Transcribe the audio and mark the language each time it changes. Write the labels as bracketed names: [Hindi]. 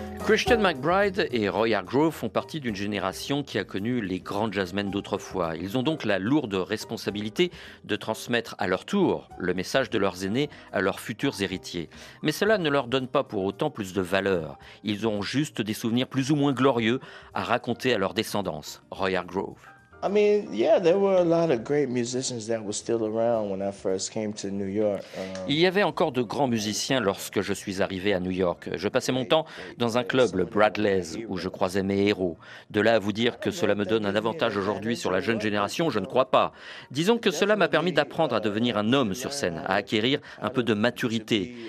[French] Christian McBride et Roy Hargrove font partie d'une génération qui a connu les grands jazzmen d'autrefois. Ils ont donc la lourde responsabilité de transmettre à leur tour le message de leurs aînés à leurs futurs héritiers. Mais cela ne leur donne pas pour autant plus de valeur. Ils ont juste des souvenirs plus ou moins glorieux à raconter à leur descendance. Roy Hargrove. [English] I mean, yeah, there were a lot of great musicians that were still around when I first came to New York. [French] Il y avait encore de grands musiciens lorsque je suis arrivé à New York. Je passais mon temps dans un club, le Bradley's, où je croisais mes héros. De là à vous dire que cela me donne un avantage aujourd'hui sur la jeune génération, je ne crois pas. Disons que cela m'a permis d'apprendre à devenir un homme sur scène, à acquérir un peu de maturité.